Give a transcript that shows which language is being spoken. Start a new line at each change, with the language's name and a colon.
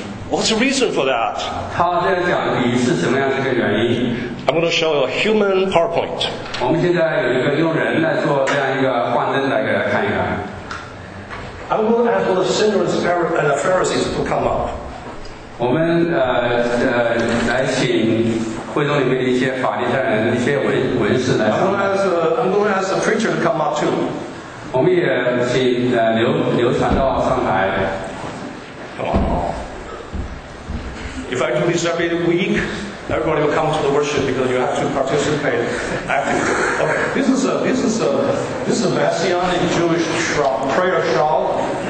English: What's the reason for that? I'm going to show you a human PowerPoint.
Chinese: 我们现在有一个用人来做这样一个幻灯来给大家看一看。
English: I will ask all the sinners and the Pharisees to come up.
Chinese: 我们来请会众里面的一些法利赛人、一些文士来。
English: I'm going to ask the preacher to come up too.
Chinese: 我们也请刘传道上台。
English: If I do this every week, everybody will come to the worship because you have to participate. Okay, this is a Messianic Jewish prayer shawl.